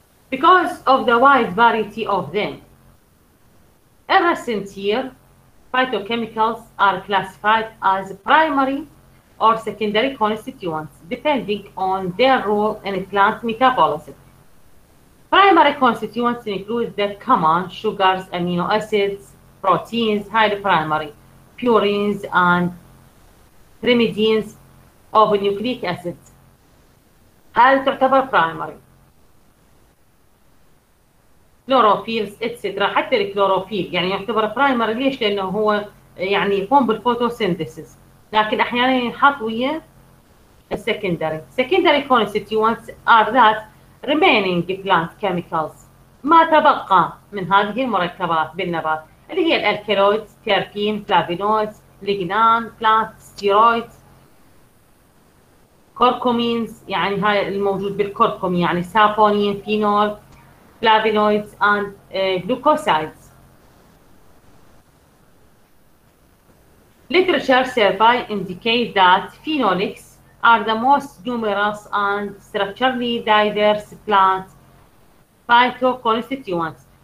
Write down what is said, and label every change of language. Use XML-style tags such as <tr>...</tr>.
<en>Because of the wide variety of them, recent year phytochemicals are classified as primary or secondary constituents depending on their role in plant metabolism. Primary constituents include the common sugars, amino acids, proteins, highly primary purines and pyrimidines of nucleic acids.</en> <ar>هل تعتبر primary؟ كلوروفيل اتسترا، حتى الكلوروفيل يعني يعتبر برايمري. ليش؟ لانه هو يعني يقوم بالفوتوسينثيسيس، لكن احيانا ينحط ويا السكندري.</ar> <en>secondary constituents are that remaining plant chemicals,</en> <ar>ما تبقى من هذه المركبات بالنبات، اللي هي الالكالويدز، تيركين، فلافينويدز، لجنان، بلانت ستيرويد، كوركومينز، يعني هاي الموجود بالكركم، يعني سافونين، فينول،</ar> <en>flavonoids and glucosides. Literature survey indicates that phenolics are the most numerous and structurally diverse plant phytoconstituents.</en>